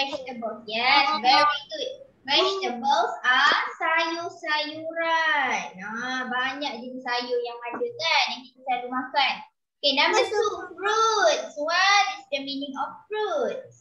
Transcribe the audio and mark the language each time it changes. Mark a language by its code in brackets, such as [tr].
[en] Vegetables, yes, very good. Vegetables are sayur-sayuran. [id] Nah, banyak jenis sayur yang ada kan yang kita selalu makan. [en] Okay, number two, fruits. What is the meaning of fruits?